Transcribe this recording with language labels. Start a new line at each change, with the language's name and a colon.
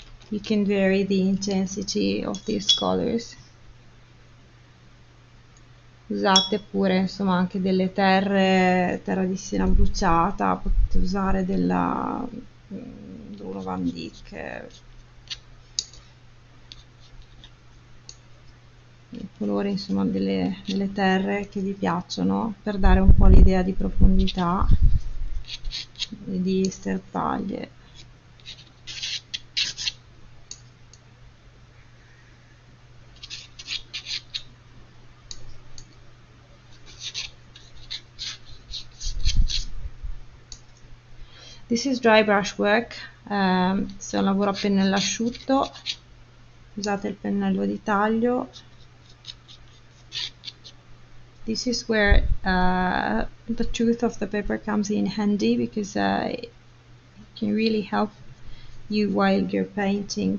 English: You can vary the intensity of these colors.
Italian: Usate pure insomma anche delle terra di siena bruciata, potete usare della Bruno Van Dijk. Il colore insomma delle terre che vi piacciono per dare un po' l'idea di profondità e di sterpaglie.
English: This is dry brush work,
Italian: se è un lavoro a pennello asciutto, usate il pennello di taglio.
English: This is where the tooth of the paper comes in handy because it can really help you while you're painting.